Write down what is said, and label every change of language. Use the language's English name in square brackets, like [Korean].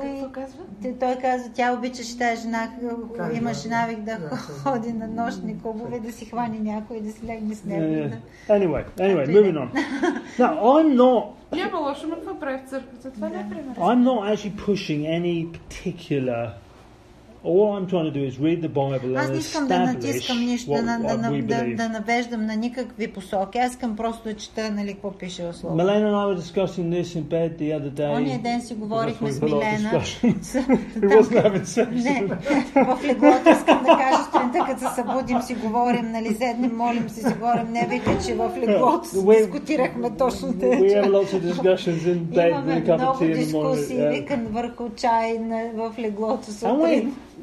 [Bulgarian] Какво казва? Той казва, тя обичаше тази жена, имаше навик да ходи на нощни клубове, да си хвани някой и да си легне с него. [English] Anyway, moving on. Now, I'm not... [Bulgarian] Няма лошо, но това прави в църквата. Това не е пример. [English] I'm not actually pushing any particular... All I'm trying to do is read the Bible and establish what we believe. [Bulgarian] Аз искам да натискам нищо, да навеждам на никакви посоки. Аз искам просто да чета, нали, какво пише в Словото. [English] Милена and I were discussing this in bed the other day. [Bulgarian] Ония ден си говорихме с Милена. [English] It wasn't having sex. [Bulgarian] Не, в леглото искам да кажа, че сутринта, като се събудим, си говорим, нали, седнем, молим се, си говорим. Не, вика, че в леглото дискутирахме точно тези. [English] We have lots of discussions in bed with a cup of tea in the morning. [Bulgarian] Имаме много дискусии, викан върху чай в леглото сутрин.